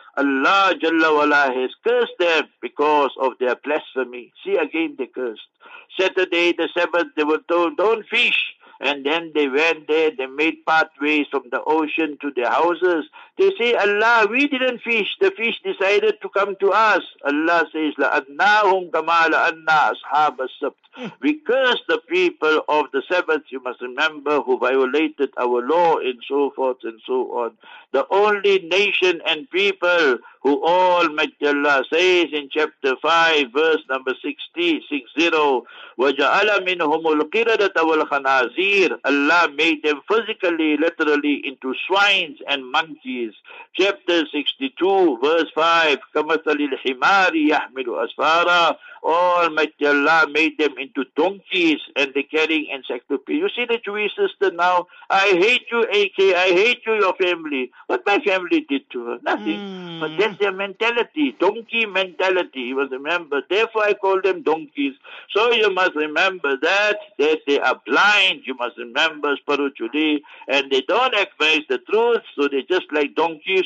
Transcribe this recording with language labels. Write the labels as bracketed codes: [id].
[en] Allah Jalla Wala has cursed them because of their blasphemy. See, again, they cursed. Saturday, the 7th, they were told, don't fish. And then they went there, they made pathways from the ocean to their houses. They say, Allah, we didn't fish. The fish decided to come to us. [ar] Allah says, لَأَنَّاهُمْ كَمَا لَأَنَّا أَصْحَابَ السَّبْتِ. [en] We curse the people of the Sabbath, you must remember, who violated our law and so forth and so on. The only nation and people who Almighty Allah says in chapter 5, verse number 60, [ar] وَجَعَلَ مِنْهُمُ الْقِرَدَةَ وَالْخَنَازِيرَ. [en] Allah made them physically, literally, into swines and monkeys. Chapter 62, verse 5, [ar] كَمَثَلِ الْحِمَارِ يَحْمِلُ أَسْفَارًا. [en] Almighty Allah made them into donkeys and the carrying encyclopedia. You see the Jewish sister now, I hate you, AK, I hate you, your family. What my family did to her? Nothing. But that's their mentality, donkey mentality, you must remember. Therefore, I call them donkeys. So you must remember that they are blind, you must remember, spiritually, and they don't acknowledge the truth, so they're just like donkeys.